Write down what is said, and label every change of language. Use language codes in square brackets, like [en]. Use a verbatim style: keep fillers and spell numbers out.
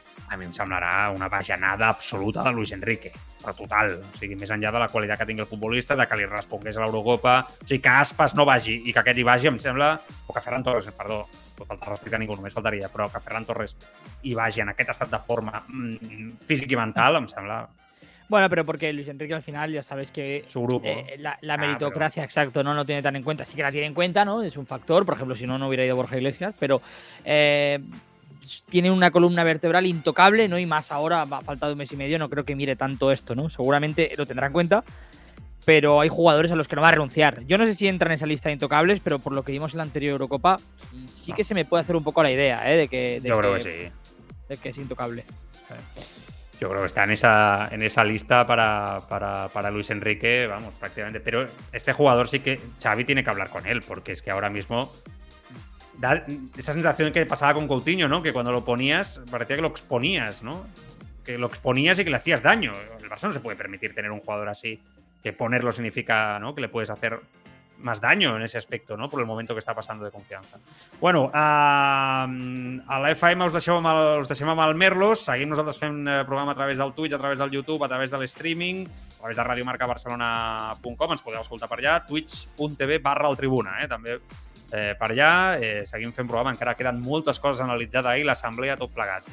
[ca] a mi em semblarà una bajanada absoluta de Luis Enrique, però total. O sigui, més enllà de la qualitat que tingui el futbolista, de que li respongués a l'Eurocopa, o sigui, que Aspas no vagi i que aquest hi vagi, em sembla, o que Ferran Torres, perdó, no falta respecte a ningú, només faltaria, però que Ferran Torres hi vagi en aquest estat de forma mmm, físic i mental, em sembla... [es] Bueno, pero porque Luis Enrique al final ya sabes que su grupo. Eh, la, la meritocracia, ah, pero... exacto, no lo tiene tan en cuenta. Sí que la tiene en cuenta, ¿no? Es un factor, por ejemplo, si no, no hubiera ido Borja Iglesias, pero eh, tiene una columna vertebral intocable, ¿no? Y más ahora, ha faltado un mes y medio, no creo que mire tanto esto, ¿no? Seguramente lo tendrá en cuenta, pero hay jugadores a los que no va a renunciar. Yo no sé si entran en esa lista de intocables, pero por lo que vimos en la anterior Eurocopa, sí no. que se me puede hacer un poco la idea, ¿eh? De que, de Yo creo que, que sí. De que es intocable. Yo creo que está en esa, en esa lista para, para, para Luis Enrique, vamos, prácticamente. Pero este jugador sí que Xavi tiene que hablar con él, porque es que ahora mismo da esa sensación que pasaba con Coutinho, ¿no? Que cuando lo ponías, parecía que lo exponías, ¿no? Que lo exponías y que le hacías daño. El Barça no se puede permitir tener un jugador así, que ponerlo significa, ¿no? Que le puedes hacer más daño en ese aspecto, ¿no? Por el momento que está pasando de confianza. [ca] Bueno, uh, a la F M us deixem amb, el, us deixem amb el Merlos. Seguim nosaltres fent programa a través del Twitch, a través del YouTube, a través de l'streaming, a través de radiomarca barcelona punt com. Ens podeu escoltar per allà, twitch punt t v barra el tribuna, eh? També eh, per allà. Eh, seguim fent programa, encara queden moltes coses analitzades i l'assemblea tot plegat.